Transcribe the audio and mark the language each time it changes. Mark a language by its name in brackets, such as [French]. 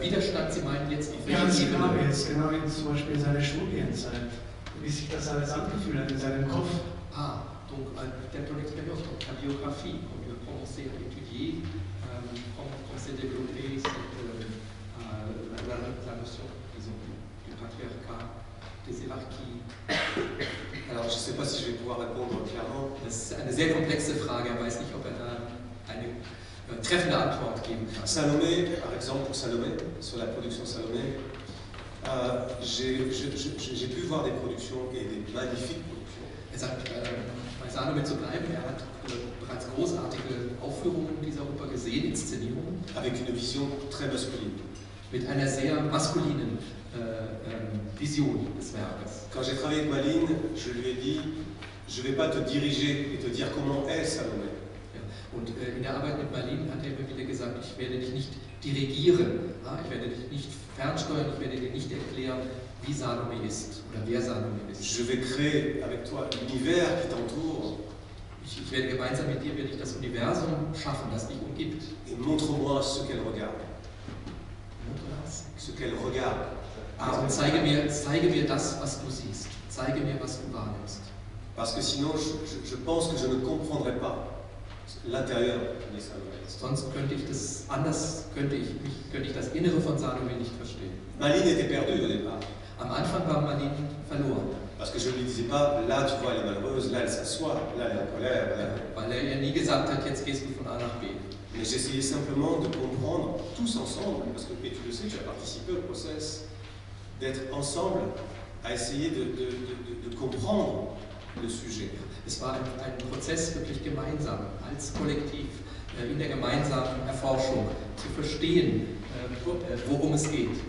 [German] Widerstand, Sie meinen jetzt auf welche Ebene? Ganz genau, jetzt zum Beispiel seine Studienzeit. wie sich das alles angefühlt hat in seinem Kopf. [French] Ah, donc peut-être ton expérience, donc ta biographie, comment commencer à étudier, comment s'est développé la notion, disons, du patriarcat, des hiérarchies. Alors, je ne sais pas si je vais pouvoir répondre clairement. C'est une très complexe [German] Frage, aber ich weiß nicht, ob eine treffende Antwort geben kann. [French] Salomé, par exemple, pour Salomé, sur la production Salomé, j'ai pu voir des productions et des magnifiques productions. [German] Bei Salomé zu bleiben, er hat bereits großartige Aufführungen dieser Oper gesehen, Inszenierungen. [French] Avec une vision très masculine. [German] Mit einer sehr maskulinen Vision des Werkes. [French] Quand j'ai travaillé avec Maline, je lui ai dit, je ne vais pas te diriger et te dire comment est Salomé. [German] Und in der Arbeit mit Maline hat er immer wieder gesagt, ich werde dich nicht dirigieren, ich werde dich nicht fernsteuern, ich werde dir nicht erklären, wie Salomé ist oder wer Salomé ist. [French] Je vais créer avec toi l'univers qui t'entoure. [German] Ich werde gemeinsam mit dir, werde ich das Universum schaffen, das dich umgibt. [French] Et montre-moi ce qu'elle regarde. Montre-moi ce qu'elle regarde. [German] Ah, und zeige mir das, was du siehst. Zeige mir, was du wahrnimmst. [French] Parce que sinon, je pense que je ne comprendrai pas. L'intérieur de Salomé. [German] Sonst könnte ich das anders, könnte ich das Innere von Salomé nicht verstehen. [French] Maline était perdue au départ. [German] Am Anfang war Maline verloren. [French] Parce que je ne lui disais pas, là tu vois elle est malheureuse, là elle s'assoit, là elle est en colère. Là. [German] Weil er ihr nie gesagt hat, jetzt gehst du von A nach B. [French] Mais j'essayais simplement de comprendre tous ensemble, parce que tu le sais, tu as participé au process, d'être ensemble à essayer de comprendre le sujet. [German] Es war ein Prozess wirklich gemeinsam, als Kollektiv, in der gemeinsamen Erforschung, zu verstehen, worum es geht.